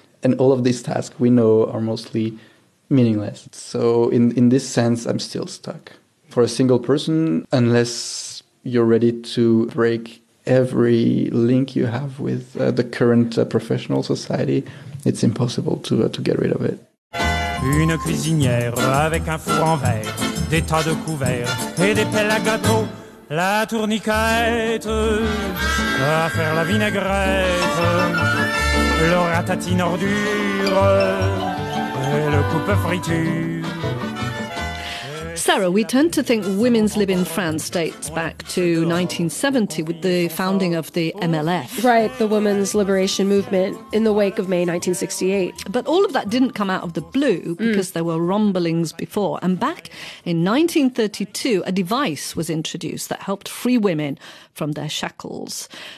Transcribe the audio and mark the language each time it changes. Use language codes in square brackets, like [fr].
[en] And all of these tasks we know are mostly meaningless. So in this sense, I'm still stuck. For a single person, unless you're ready to break every link you have with the current professional society, it's impossible to get rid of it. [fr] Une cuisinière avec un four en verre, des tas de couverts et des pelles à gâteaux, la tourniquette à faire la vinaigrette, le ratatine ordure et le coupe-friture. [en] Sarah, we tend to think women's lib in France dates back to 1970 with the founding of the MLF. Right, the Women's Liberation Movement in the wake of May 1968. But all of that didn't come out of the blue because there were rumblings before. And back in 1932, a device was introduced that helped free women from their shackles.